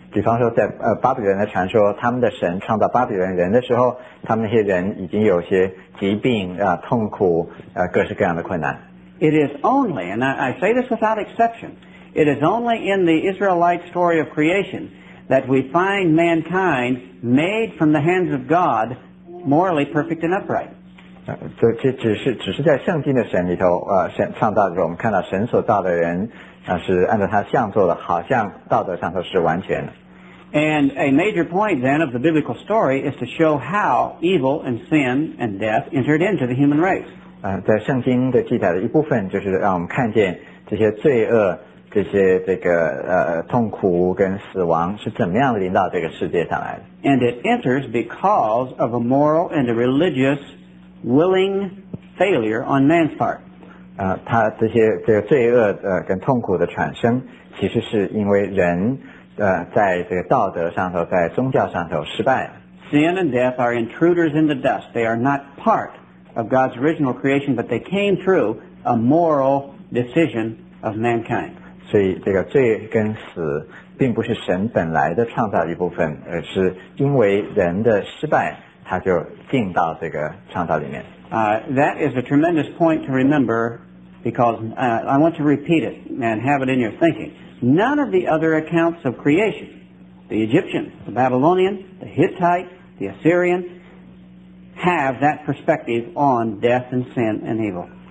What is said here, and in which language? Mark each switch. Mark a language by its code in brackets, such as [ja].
[zh] 比方说在巴比伦的传说他们的神创造巴比伦人的时候他们那些人已经有些疾病痛苦各式各样的困难 [en] It is only and I say this without exception It is only in the Israelite story of creation that we find mankind made from the hands of God morally perfect and upright [zh] 只是在圣经的神里头神创造的时候我们看到神所造的人是按照他像做的好像道德上都是完全的 [en] And a major point then of the biblical story is to show how evil and sin and death entered into the human race [zh] 在圣经的记载的一部分就是让我们看见这些罪恶这些这个痛苦跟死亡是怎么样临到这个世界上来的 [en] And it enters because of a moral and a religious willing failure on man's part [zh] 他这个罪恶跟痛苦的产生其实是因为人在这个道德上头在宗教上头失败了 [en] Sin and death are intruders in the dust They are not part of God's original creation But they came through a moral decision of mankind [zh] 所以这个罪跟死并不是神本来的创造一部分而是因为人的失败他就进到这个创造里面 [en] That is a tremendous point to remember because I want to repeat it and have it in your thinking. None of the other accounts of creation, the Egyptian, the Babylonian, the Hittite, the Assyrian, have that perspective on death and sin and evil.